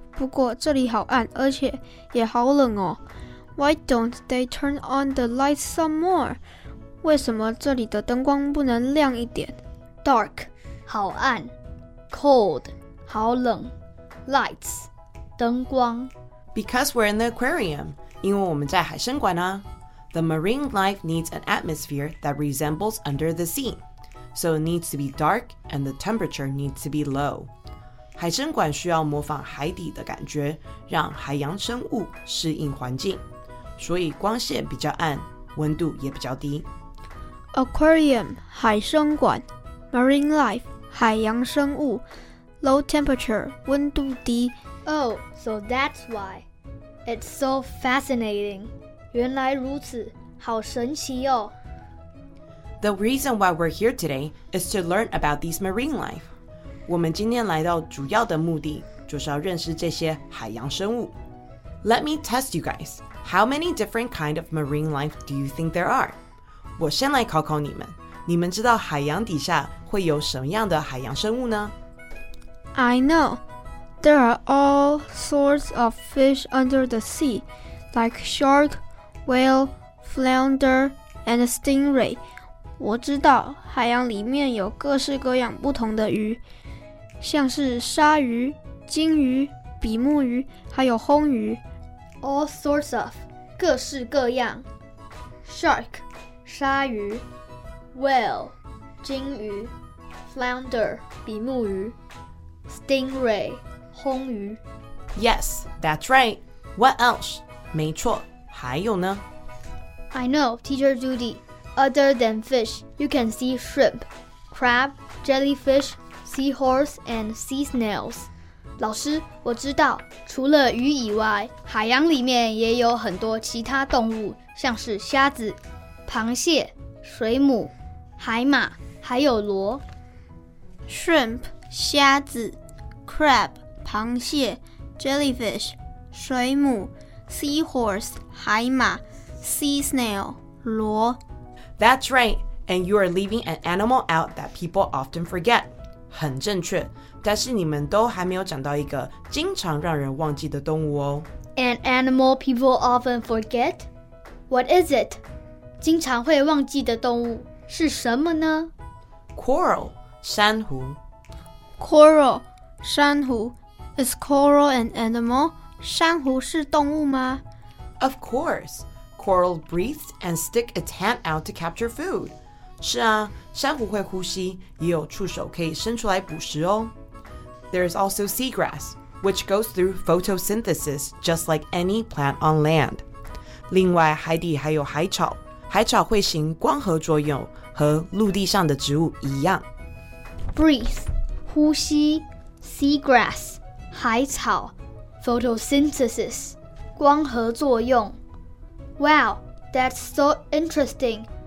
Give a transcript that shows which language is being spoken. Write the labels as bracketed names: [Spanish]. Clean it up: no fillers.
[Chinese] 不过这里好暗，而且也好冷哦。 [English] Why don't they turn on the lights some more? [Chinese] 为什么这里的灯光不能亮一点？ Dark, 好暗。Cold, 好冷。 Lights, 灯光。 [English] Because we're in the aquarium, [Chinese] 因为我们在海生馆啊。 [English] The marine life needs an atmosphere that resembles under the sea. So it needs to be dark and the temperature needs to be low. [Chinese] 海生馆需要模仿海底的感觉，让海洋生物适应环境。所以光线比较暗，温度也比较低。 Aquarium, 海生馆。Marine life, 海洋生物。 Low temperature, 温度低。 [English] Oh, so that's why. It's so fascinating. [Chinese] 原来如此，好神奇哦。 [English] The reason why we're here today is to learn about these marine life. [Chinese] 我们今天来到主要的目的就是要认识这些海洋生物。 [English] Let me test you guys. How many different kind of marine life do you think there are? [Chinese] 我先来考考你们，你们知道海洋底下会有什么样的海洋生物呢？ [English] I know. There are all sorts of fish under the sea, like shark,Whale, flounder, and stingray. [Chinese] 我知道海洋里面有各式各样不同的鱼，像是鲨鱼、鲸鱼、比目鱼，还有红鱼。 [English] All sorts of, [Chinese] 各式各样。Shark, 鲨鱼。 Whale, 鲸鱼。Flounder, 比目鱼。 Stingray, 红鱼。 [English] Yes, that's right. What else? [Chinese] 没错。还有呢? [English] I know, Teacher Judy. Other than fish, you can see shrimp, crab, jellyfish, seahorse, and sea snails. [Chinese] 老师，我知道，除了鱼以外，海洋里面也有很多其他动物，像是虾子、螃蟹、水母、海马，还有螺。 Shrimp, 虾子, crab, 螃蟹, jellyfish, 水母。 Seahorse, 海马, sea snail, 螺. [English] That's right, and you are leaving an animal out that people often forget. [Chinese] 很正确，但是你们都还没有讲到一个经常让人忘记的动物哦。 [English] An animal people often forget? What is it? [Chinese] 经常会忘记的动物是什么呢? Coral, 珊瑚. [English] Coral, 珊瑚.Is coral an animal? [Chinese] 珊瑚是动物吗? [English] Of course. Coral breathes and stick its hand out to capture food. [Chinese] 是啊,珊瑚会呼吸,也有触手可以伸出来捕食哦。 [English] There is also seagrass, which goes through photosynthesis just like any plant on land. [Chinese] 另外,海底还有海草,海草会行光合作用,和陆地上的植物一样。 Breathe, 呼吸, seagrass, 海草。 [English] Photosynthesis, 光合作用。Wow, that's so interesting.